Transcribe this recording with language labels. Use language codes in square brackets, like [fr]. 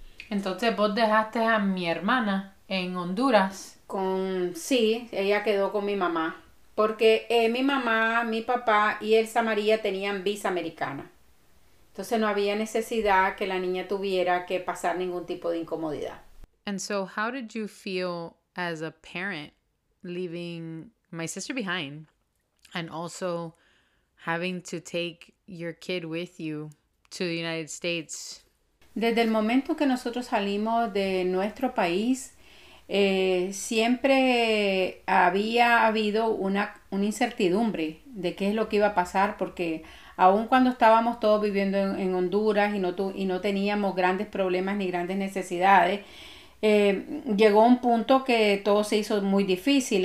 [es] Entonces vos dejaste a mi hermana en Honduras. sí, ella quedó con mi mamá, porque mi mamá, mi papá y Elsa María tenían visa americana. Entonces no había necesidad que la niña tuviera que pasar ningún tipo de incomodidad. [en] And so, how did you feel as a parent leaving my sister behind and also having to take your kid with you to the United States? [es] Desde el momento que nosotros salimos de nuestro país, siempre había habido una incertidumbre de qué es lo que iba a pasar, porque aun cuando estábamos todos viviendo en Honduras y no teníamos grandes problemas ni grandes necesidades, llegó un punto que todo se hizo muy difícil.